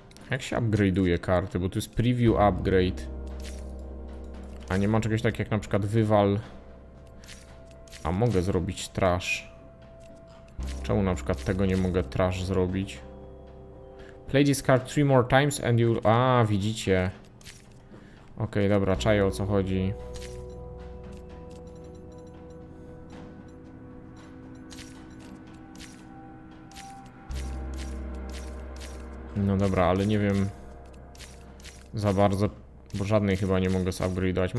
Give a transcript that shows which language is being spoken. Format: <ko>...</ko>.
<pl>Jak się upgrade'uje karty? Bo to jest preview upgrade. A nie ma czegoś takiego jak na przykład wywal. A mogę zrobić trash. Czemu na przykład tego nie mogę trash zrobić?</pl> <en>Play this card 3 more times and you...</en> <pl>A, widzicie. Okej, okay, dobra, czaję, o co chodzi. No dobra, ale nie wiem za bardzo, bo żadnej chyba nie mogę zupgrade'ować.</pl>